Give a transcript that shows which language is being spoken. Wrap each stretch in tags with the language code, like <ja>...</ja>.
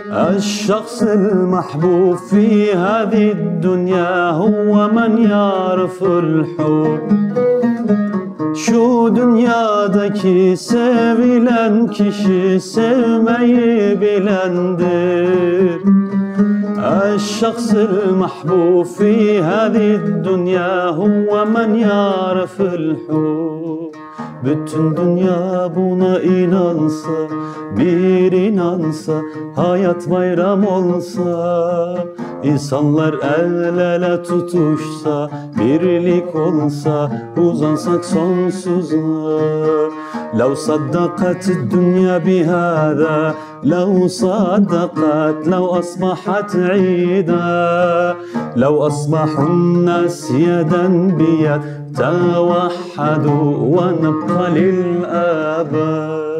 <ar>الشخص المحبوب في هذه الدنيا هو من يعرف الحب</ar> <tr>Şu dünyadaki sevilen kişi sevmeyi bilendir</tr> <ar>الشخص المحبوب في هذه الدنيا هو من يعرف الحب</ar> <tr>Bütün dünya buna inansa, bir inansa, hayat bayram olsa. İnsanlar el ele tutuşsa, birlik olsa, uzansak sonsuza.</tr> <ar>لو صدقت الدنيا بهذا لو صدقت لو أصبحت عيدا لو أصبح الناس يدا بيد توحدوا ونبقى للأبد.</ar>